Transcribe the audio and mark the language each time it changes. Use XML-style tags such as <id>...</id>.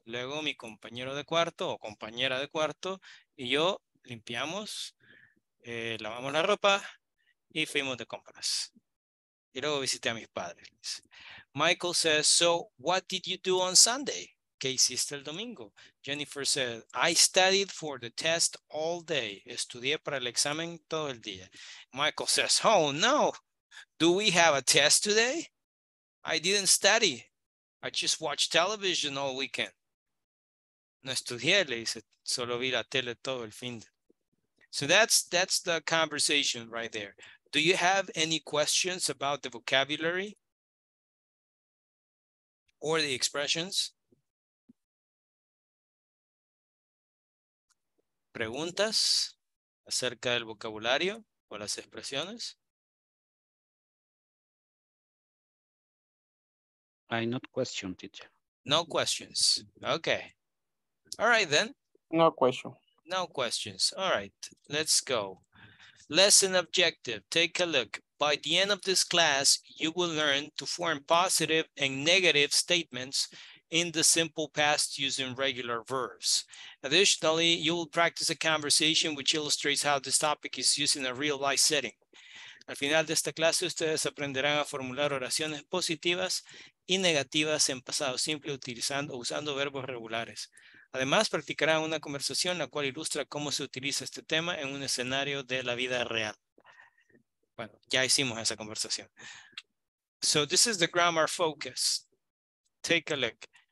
<es>Luego mi compañero de cuarto o compañera de cuarto y yo limpiamos, lavamos la ropa. Y fuimos de compras. Y luego visité a mis padres.</es> <en>Michael says, so what did you do on Sunday?</en> <es>¿Qué hiciste el domingo?</es> <en>Jennifer said, I studied for the test all day.</en> <es>Estudié para el examen todo el día.</es> <en>Michael says, oh no, do we have a test today? I didn't study. I just watched television all weekend.</en> <es>No estudié, le dice, solo vi la tele todo el fin.</es> <en>So that's the conversation right there. Do you have any questions about the vocabulary or the expressions?</en> <es>¿Preguntas acerca del vocabulario o las expresiones?</es> <en>I not question, teacher. No questions. Okay. All right, then. No question. No questions. All right, let's go. Lesson objective, take a look. By the end of this class, you will learn to form positive and negative statements in the simple past using regular verbs. Additionally, you will practice a conversation which illustrates how this topic is used in a real life setting.</en> <es>Al final de esta clase, ustedes aprenderán a formular oraciones positivas y negativas en pasado simple usando verbos regulares. Además, practicará una conversación la cual ilustra cómo se utiliza este tema en un escenario de la vida real. Bueno, ya hicimos esa conversación.</es> <en>So this is the grammar focus. Take a look.</en>